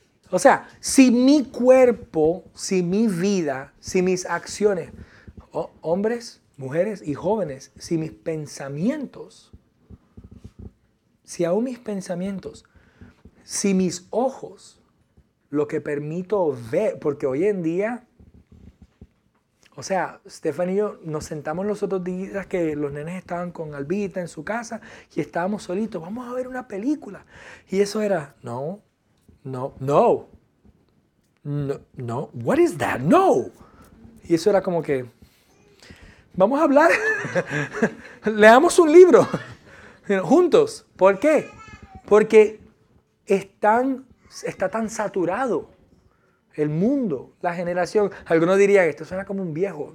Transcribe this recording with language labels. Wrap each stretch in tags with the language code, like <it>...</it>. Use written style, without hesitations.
<es>O sea, si mi cuerpo, si mi vida, si mis acciones, hombres, mujeres y jóvenes, si mis pensamientos, si aún mis pensamientos, si mis ojos, lo que permito ver, porque hoy en día, o sea, Stephanie y yo nos sentamos los otros días que los nenes estaban con Albita en su casa y estábamos solitos. Vamos a ver una película. Y eso era, no, no, no, no, no,</es> <en>what is that?</en> <es>No. Y eso era como que, vamos a hablar, leamos un libro juntos. ¿Por qué? Porque está tan saturado. El mundo, la generación, algunos dirían, esto suena como un viejo.</es>